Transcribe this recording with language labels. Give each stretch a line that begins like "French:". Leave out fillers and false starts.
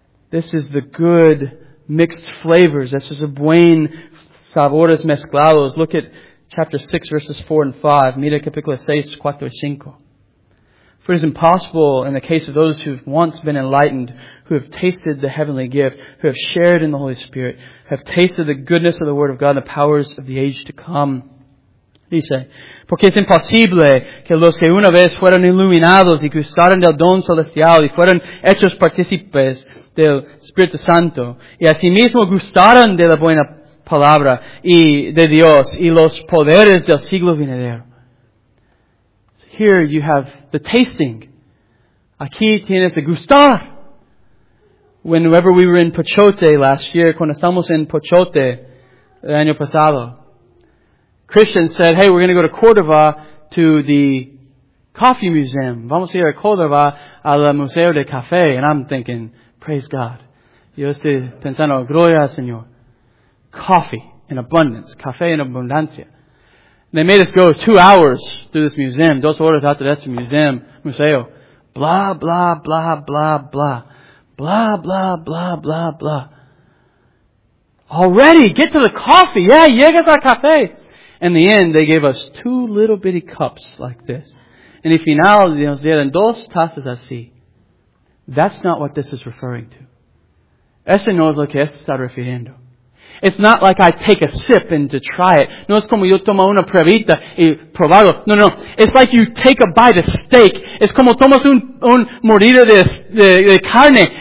English: This is the good mixed flavors. This is the
Spanish: buen sabores mezclados.
English: Look at chapter 6, verses 4 and 5.
Spanish: Mira capítulo 6, 4 y 5.
English: For it is impossible in the case of those who have once been enlightened, who have tasted the heavenly gift, who have shared in the Holy Spirit, have tasted the goodness of the Word of God and the powers of the age to come.
Spanish: Dice, porque es imposible que los que una vez fueron iluminados y gustaron del don celestial y fueron hechos partícipes del Espíritu Santo y asimismo gustaron de la buena palabra y de Dios y los poderes del siglo venidero.
English: Here you have the tasting.
Spanish: Aquí tienes el gustar.
English: Whenever we were in Pachote last year,
Spanish: cuando estamos en Pachote el año pasado,
English: Christian said, hey, we're going to go to Cordova to the coffee museum.
Spanish: Vamos a ir a Cordova al Museo de Café.
English: And I'm thinking, praise God.
Spanish: Yo estoy pensando, gloria al Señor.
English: Coffee in abundance.
Spanish: Café en abundancia.
English: And they made us go 2 hours through this museum.
Spanish: Dos horas hasta este museum,
English: museo. Blah, blah, blah, blah, blah. Blah, blah, blah, blah, blah. Already, get to the coffee. Yeah,
Spanish: llega al café.
English: In the end, they gave us 2 little bitty cups like this.
Spanish: En el final, nos dieron 2 tazas así.
English: That's not what this is referring to.
Spanish: Ese no es lo que está refiriendo.
English: It's not like I take a sip and to try it.
Spanish: No es como yo tomo una pruebita y probado. No, no, no.
English: It's like you take a bite of steak.
Spanish: Es como tomas un mordida de carne.